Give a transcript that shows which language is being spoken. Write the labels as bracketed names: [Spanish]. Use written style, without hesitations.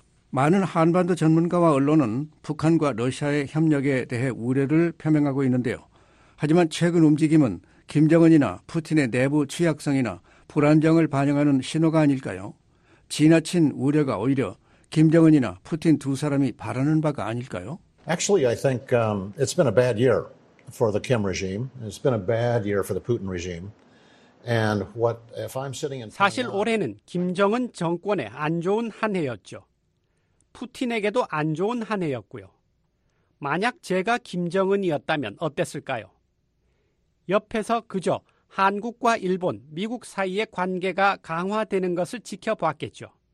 [Korean] 많은 한반도 전문가와 언론은 북한과 러시아의 협력에 대해 우려를 표명하고 있는데요. 하지만 최근 움직임은 김정은이나 푸틴의 내부 취약성이나 불안정을 반영하는 신호가 아닐까요? 지나친 우려가 오히려 김정은이나 푸틴 두 사람이 바라는 바가 아닐까요? [English] Actually, I think it's been a bad year for the Kim regime. It's been a bad year for the Putin regime. And what if I'm sitting in [Korean] 사실 올해는 김정은 정권에 안 좋은 한 해였죠. 푸틴에게도 안 좋은 한 해였고요. 만약 제가 김정은이었다면 어땠을까요? 옆에서 그저 한국과 일본, 미국 사이의 관계가 강화되는 것을 지켜보았겠죠.